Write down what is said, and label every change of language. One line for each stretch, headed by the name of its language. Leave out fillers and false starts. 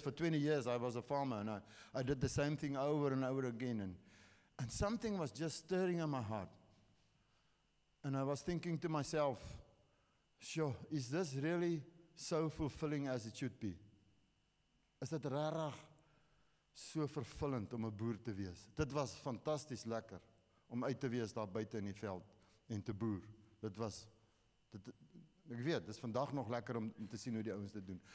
English: For 20 years, I was a farmer, and I did the same thing over and over again. And something was just stirring in my heart. And I was thinking to myself, sure, is this really so fulfilling as it should be?
Afrikaans: Is it rarig so vervullend om 'n boer te wees? Dit was fantasties lekker om uit te wees daar buite in die veld en te boer. Ek weet, dis vandag nog lekker om te sien hoe die ouens dit doen.